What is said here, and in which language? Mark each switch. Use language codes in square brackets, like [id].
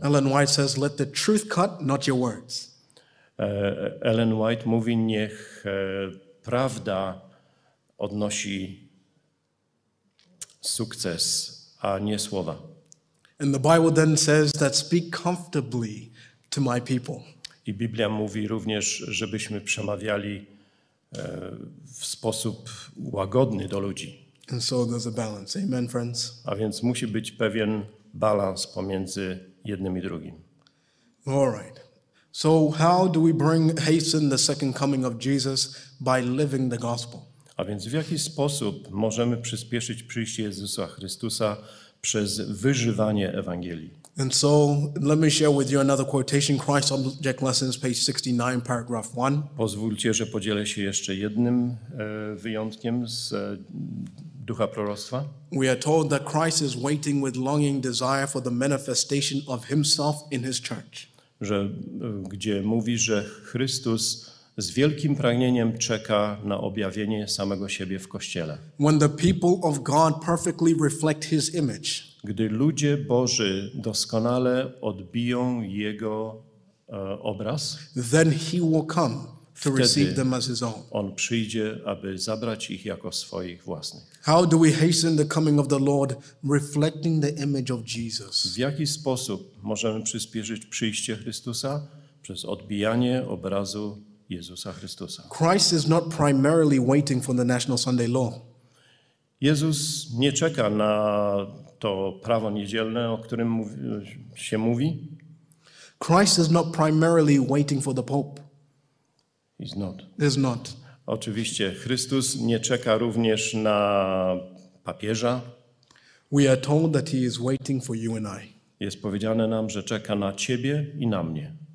[en] Ellen White says, "Let the truth cut, not your words." [pl] Ellen White mówi, niech prawda odnosi sukces, a nie słowa. [en] And the Bible then says that speak comfortably to my people. [pl] I Biblia mówi również, żebyśmy przemawiali w sposób łagodny do ludzi. [en] And so there's a balance. Amen, friends. [pl] A więc musi być pewien balans pomiędzy jednym i drugim. [en] All right. So how do we bring hasten the second coming of Jesus by living the gospel? [pl] A więc w jaki sposób możemy przyspieszyć przyjście Jezusa Chrystusa przez wyżywanie Ewangelii? [en] And so let me share with you another quotation, Christ Object Lessons, page 69, paragraph 1. [pl] Pozwólcie, że podzielę się jeszcze jednym wyjątkiem z Ducha Proroctwa. [en] We are told that Christ is waiting with longing desire for the manifestation of himself in his church. [pl] Że gdzie mówi, że Chrystus z wielkim pragnieniem czeka na objawienie samego siebie w Kościele. [en] When the people of God perfectly reflect his image. [pl] Gdy ludzie Boży doskonale odbiją Jego obraz, [en] then he will come to receive them as his own. [pl] On przyjdzie, aby zabrać ich jako swoich własnych. [en] How do we hasten the coming of the Lord, reflecting the image of Jesus? [pl] W jaki sposób możemy przyspieszyć przyjście Chrystusa? Przez odbijanie obrazu Jezusa Chrystusa. [en] Christ is not primarily waiting for the National Sunday Law. [pl] Jezus nie czeka na to prawo niedzielne, o którym się mówi. [en] Christ is not primarily waiting for the Pope. He's not. He's not. [pl] Oczywiście Chrystus nie czeka również na papieża. [en] We are told that he is waiting for you and I. [pl] Jest powiedziane nam, że czeka na ciebie i na mnie.